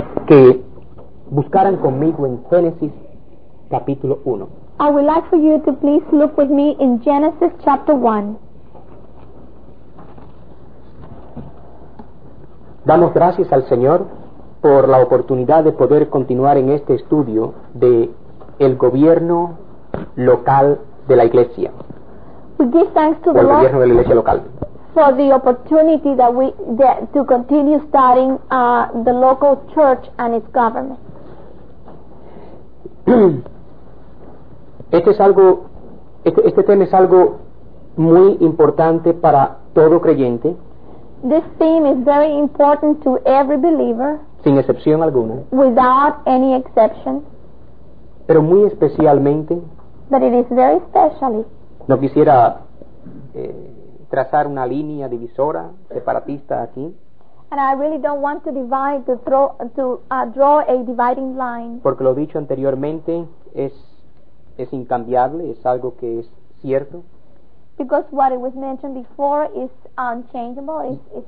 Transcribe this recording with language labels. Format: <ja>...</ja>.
<es>que buscaran conmigo en Génesis capítulo 1.</es> <en>I would like for you to please look with me in Genesis chapter 1.</en> <es>Damos gracias al Señor por la oportunidad de poder continuar en este estudio de el gobierno local de la iglesia.</es> <en>We give thanks to the Lord</en> <es>de la iglesia local.</es> <en>For the opportunity that we that to continue studying the local church and its government.</en> <es>Este tema es algo muy importante para todo creyente.</es> <en>This theme is very important to every believer.</en> <es>Sin excepción alguna.</es> <en>Without any exception.</en> <es>Pero muy especialmente.</es> <en>But it is very specially.</en> <es>No quisiera trazar una línea divisora separatista aquí.</es> <en>And I really don't want to divide to draw a dividing line.</en> <es>Porque lo dicho anteriormente es incambiable, es algo que es cierto.</es> <en>Because what it was mentioned before is unchangeable.</en>